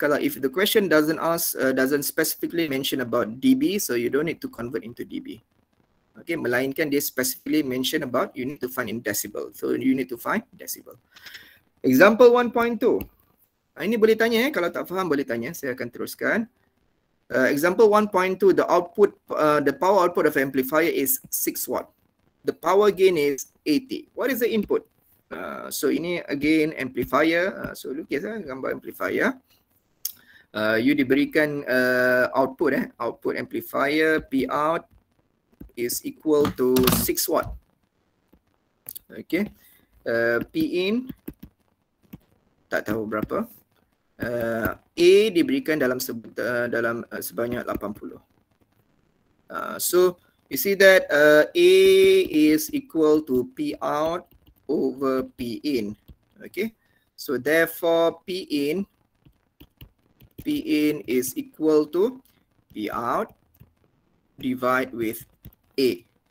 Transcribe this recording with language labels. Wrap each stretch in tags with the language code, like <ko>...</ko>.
<ms>Kalau</ms> <en>if the question doesn't specifically mention about dB, so you don't need to convert into dB. Okay,</en> <ms>melainkan dia</ms> <en>specifically mention about you need to find in decibel. So you need to find decibel. Example 1.2.</en> <ms>Ini boleh tanya eh, kalau tak faham boleh tanya. Saya akan teruskan.</ms> <en>Example 1.2, the output, the power output of amplifier is 6 watt. The power gain is 80. What is the input? So ini again amplifier. So</en> <ms>lukislah gambar</ms> <en>amplifier. You diberikan output eh, output amplifier P out is equal to 6 watt. Okay.</en> <ms>P in tak tahu berapa. A diberikan dalam dalam sebanyak 80.</ms> <en>So you see that A is equal to P out over P in. Okay. So therefore P in is equal to P out divide with A.</en>